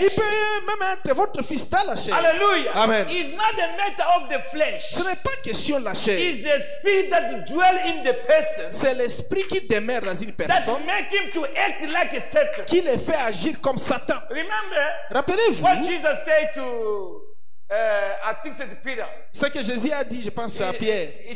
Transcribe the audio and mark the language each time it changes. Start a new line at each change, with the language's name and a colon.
French: Il peut même être votre fils dans la chair. Hallelujah. Amen.
English: It's not a matter of the flesh.
French: Ce n'est pas question de la chair.
English: It's the spirit that dwells in the person.
French: C'est l'esprit qui demeure dans une personne.
English: That make him to act like a Satan.
French: Qui le fait agir comme Satan.
English: Remember.
French: Rappelez-vous.
English: What Jesus said to I think
French: c'est
English: Peter.
French: Ce que Jésus a dit, je pense, c'est à Pierre.